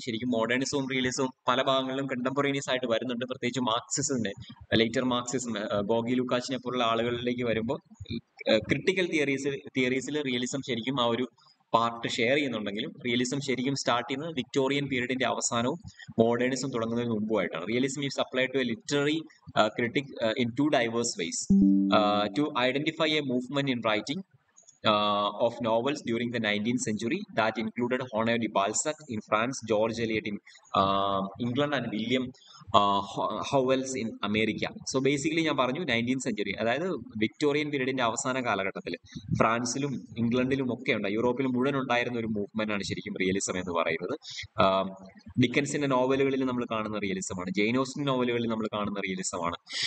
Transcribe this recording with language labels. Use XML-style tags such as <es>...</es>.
<ml>ശരിക്കും മോഡേണിസവും റിയലിസവും പല ഭാഗങ്ങളിലും കണ്ടംപറേനിയസ് ആയിട്ട് വരുന്നുണ്ട്. പ്രത്യേകിച്ച് മാർക്സിസിന്റെ ലേറ്റർ മാർക്സിസം, ഗോഗി ലുക്കാച്ചിനെ പോലുള്ള ആളുകളിലേക്ക് വരുമ്പോൾ ക്രിട്ടിക്കൽ തിയറീസിൽ റിയലിസം ശരിക്കും ആ ഒരു പാർട്ട് ഷെയർ ചെയ്യുന്നുണ്ടെങ്കിലും റിയലിസം ശരിക്കും സ്റ്റാർട്ട് ചെയ്യുന്നത് വിക്ടോറിയൻ പീരീഡിന്റെ അവസാനവും മോഡേണിസം തുടങ്ങുന്നതിന് മുമ്പും ആയിട്ടാണ്.</ml> <en>Realism is applied to a literary critic in to diverse ways to identify a movement in writing of novels during the 19th century that included Honoré de Balzac in France, George Eliot in England and William Howells in America. So basically</en> <ml>ഞാൻ പറഞ്ഞു 19th century, അതായത് Victorian പീരീഡിന്റെ അവസാന കാലഘട്ടത്തിൽ ഫ്രാൻസിലും ഇംഗ്ലണ്ടിലും ഒക്കെ ഉണ്ട്, യൂറോപ്പിലും മുഴുവൻ ഉണ്ടായിരുന്ന ഒരു മൂവ്മെന്റ് ആണ് ശരിക്കും റിയലിസം എന്ന് പറയുന്നത്. ഡിക്കൻസിന്റെ നോവലുകളിൽ നമ്മൾ കാണുന്ന റിയലിസമാണ്, ജെയ്ൻ ഓസ്റ്റിന്റെ നോവലുകളിൽ നമ്മൾ കാണുന്ന റിയലിസമാണ്.</ml>